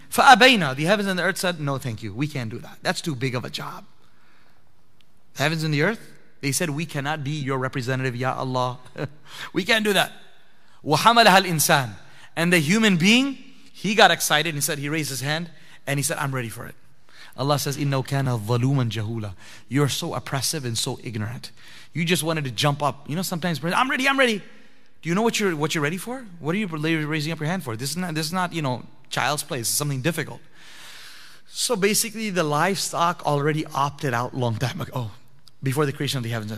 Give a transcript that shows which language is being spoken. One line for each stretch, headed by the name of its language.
English: Fa'abayna, the heavens and the earth said, no, thank you. We can't do that. That's too big of a job. The heavens and the earth, they said, we cannot be your representative, ya Allah. We can't do that.
Arabic: Wahamalaha al-insan.
English: And the human being, he got excited and he said, he raised his hand and he said, I'm ready for it. Allah says,
Arabic: إِنَّوْ كَانَ ظَلُومًا جَهُولًا.
English: You're so oppressive and so ignorant. You just wanted to jump up. You know, sometimes, I'm ready. Do you know what you're ready for? What are you raising up your hand for? This is not, you know, child's play. This is something difficult. So basically, the livestock already opted out long time ago. Before the creation of the heavens.